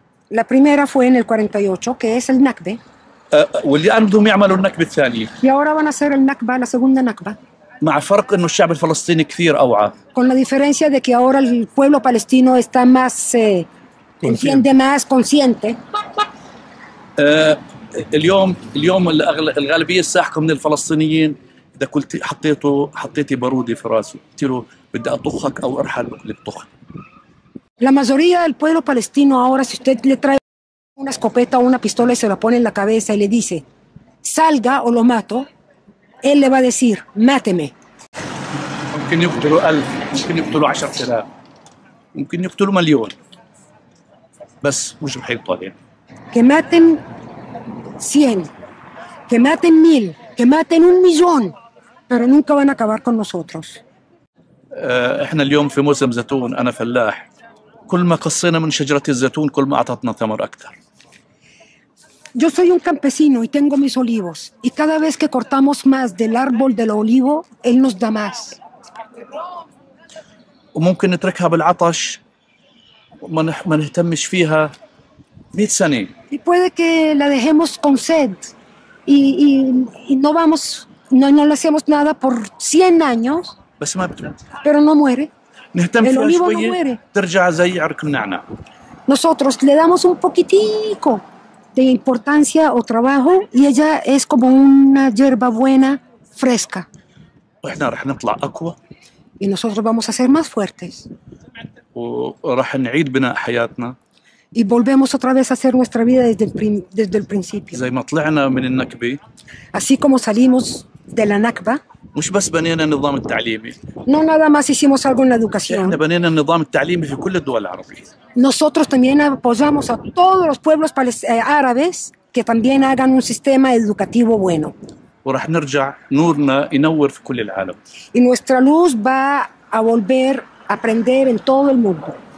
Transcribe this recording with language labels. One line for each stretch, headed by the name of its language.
Spanish: La primera fue en el 48 que es el Nakba.
Arabic: واللي عندهم يعملوا النكبة الثانية.
Spanish: Y ahora van a hacer el Nakba, la segunda Nakba.
Arabic: مع فرق إنه الشعب الفلسطيني كثير أوعى.
Spanish: Con la diferencia de que ahora el pueblo palestino está más entiende más consciente.
Arabic: اليوم الغالبية الساحقة من الفلسطينيين إذا قلت حطيتي بارودي في راسي قلت له بدي أطخك أو أرحل للطخ.
Spanish: La mayoría del pueblo palestino ahora si usted le trae una escopeta o una pistola y se la pone en la cabeza y le dice salga o lo mato. Él le va a decir, máteme.
Arabic: ممكن يقتلوا 1000، ممكن يقتلوا 10000، ممكن يقتلوا مليون. بس مش رح يطالعين.
Spanish: Que maten 100, que maten 1000, que maten 1,000,000, pero nunca van a acabar con nosotros.
Arabic: احنا اليوم في موسم زيتون، انا فلاح. كل ما قصينا من شجرة الزيتون كل ما اعطتنا ثمر اكثر.
Spanish: Yo soy un campesino y tengo mis olivos. Y cada vez que cortamos más del árbol del olivo, él nos da más.
Arabic: وممكن نتركها بالعطش وما نهتمش فيها 100 سنة.
Spanish: Y puede que la dejemos con sed y no vamos no le hacemos nada por 100 años.
Arabic: بس ما بتموت.
Spanish: Pero no muere.
Arabic: نهتم فيها شوية.
Spanish: No muere.
Arabic: ترجع زي عرق النعناع.
Spanish: Nosotros le damos un poquitico de importancia o trabajo y ella es como una hierba buena fresca.
Arabic: واحنا راح نطلع اقوى.
Spanish: Y nosotros vamos a ser más fuertes.
Arabic: وراح نعيد بناء حياتنا.
Spanish: Y volvemos otra vez a hacer nuestra vida desde el principio.
Arabic: زي ما طلعنا من النكبة.
Spanish: Así como salimos de la Nakba.
Arabic: مش بس بنينا النظام التعليمي.
Spanish: No nada más hicimos algo en la educación.
Arabic: احنا بنينا النظام التعليمي في كل الدول العربية.
Spanish: Nosotros también apoyamos a todos los pueblos árabes que también hagan un sistema educativo bueno.
Arabic: وراح نرجع نورنا ينور في كل العالم.
Spanish: Y nuestra luz va a volver a prender en todo el mundo.